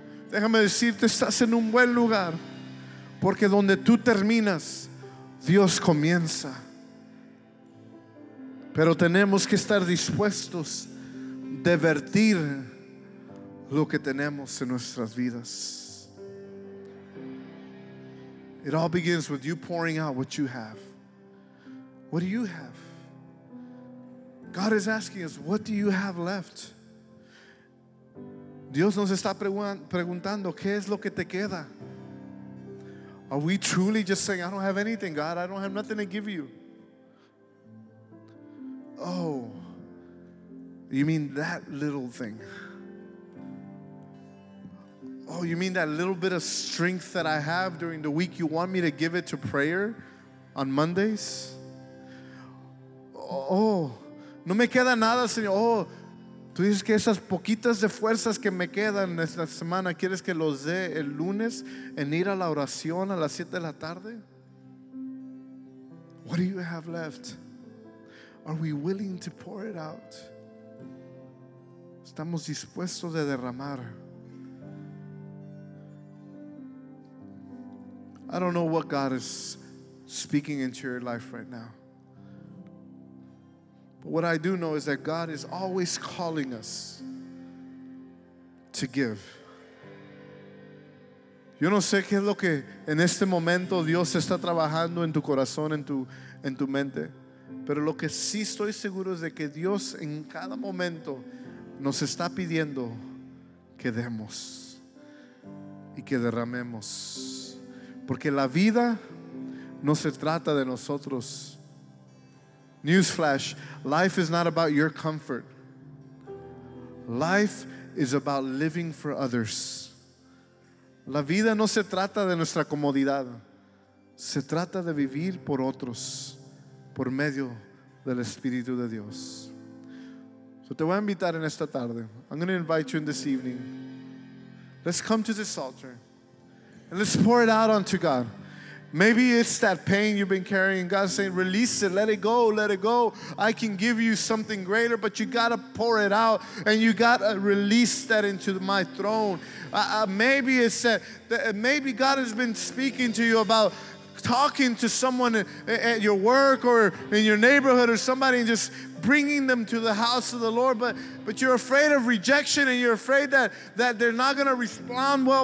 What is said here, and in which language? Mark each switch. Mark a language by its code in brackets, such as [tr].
[es] Déjame decirte, estás en un buen lugar. Porque donde tú terminas, Dios comienza. Pero tenemos que estar dispuestos de vertir lo que tenemos en nuestras vidas. [en] It all begins with you pouring out what you have. What do you have? God is asking us, what do you have left? [es] Dios nos está preguntando, ¿qué es lo que te queda? [en] Are we truly just saying, I don't have anything, God, I don't have nothing to give you? Oh, you mean that little thing? Oh, you mean that little bit of strength that I have during the week? You want me to give it to prayer on Mondays? [es] Oh, no me queda nada, Señor. Oh, tú dices que esas poquitas de fuerzas que me quedan esta semana, ¿quieres que los dé el lunes en ir a la oración a las 7 de la tarde? [en] What do you have left? Are we willing to pour it out? [es] ¿Estamos dispuestos de derramar? [en] I don't know what God is speaking into your life right now. But what I do know is that God is always calling us to give. [es] Yo no sé qué es lo que en este momento Dios está trabajando en tu corazón, en tu mente. Pero lo que sí estoy seguro es de que Dios en cada momento nos está pidiendo que demos y que derramemos. Porque la vida no se trata de nosotros. [en] Newsflash, life is not about your comfort. Life is about living for others. [es] La vida no se trata de nuestra comodidad. Se trata de vivir por otros, por medio del Espíritu de Dios. So te voy a invitar en esta tarde. [en] I'm going to invite you in this evening. Let's come to this altar. And let's pour it out unto God. Maybe it's that pain you've been carrying. God's saying, release it. Let it go. Let it go. I can give you something greater, but you got to pour it out. And you got to release that into my throne. Maybe it's that maybe God has been speaking to you about talking to someone at your work or in your neighborhood or somebody and just bringing them to the house of the Lord, but you're afraid of rejection and you're afraid that they're not going to respond well.